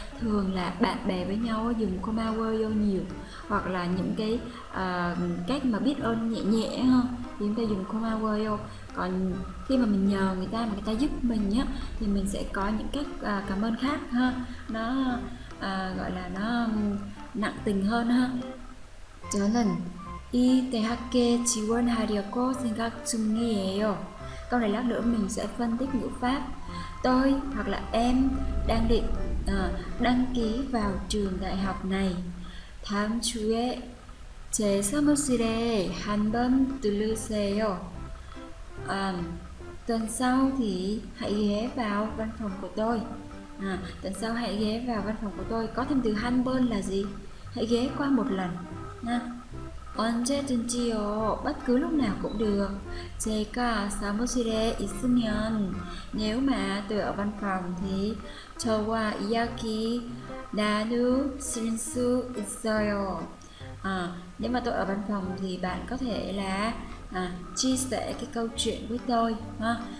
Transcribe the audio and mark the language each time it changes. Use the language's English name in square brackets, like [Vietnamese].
[Vietnamese] Thường là bạn bè với nhau dùng komaworyo nhiều, hoặc là những cái cách mà biết ơn nhẹ nhẹ hơn thì chúng ta dùng komaworyo. Còn khi mà mình nhờ người ta mà người ta giúp mình nhá, thì mình sẽ có những cách cảm ơn khác ha. Nó gọi là nó nặng tình hơn ha. [Korean] 저는 이 대학에 지원하려고 생각 중이에요. [Vietnamese] Câu này lát nữa mình sẽ phân tích ngữ pháp. Tôi hoặc là em đang định đăng ký vào trường đại học này. [Korean] 다음 주에 제 사무실에 한번 들르세요. [Vietnamese] Tuần sau thì hãy ghé vào văn phòng của tôi. Tuần sau hãy ghé vào văn phòng của tôi. Có thêm từ hanbon là gì? Hãy ghé qua một lần. [Korean] 언제든지요. [Vietnamese] Bất cứ lúc nào cũng được. [Korean] 제가 사무실에 있으면. [Vietnamese] Nếu mà tôi ở văn phòng thì [Korean] 저와 이야기 나눌 수 있어요. [Vietnamese] Nếu mà tôi ở văn phòng thì bạn có thể là chia sẻ cái câu chuyện với tôi ha.